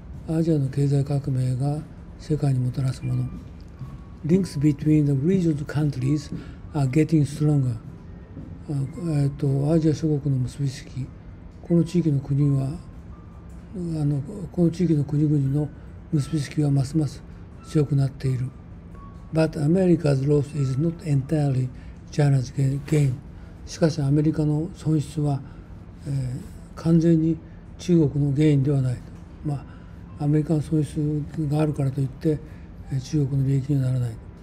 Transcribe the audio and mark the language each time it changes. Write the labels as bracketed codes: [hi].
[ja] アジアの経済革命が世界にもたらすもの。 [en] Links between the region's countries are getting stronger。 [ja] アジア諸国の結びつき、この地域の国はこの地域の国々の結びつきはますます強くなっている。 [en] But America's loss is not entirely China's gain。 [ja] しかしアメリカの損失は、完全に中国の原因ではない、まあ、アメリカの損失があるからといって、中国の利益にはならない。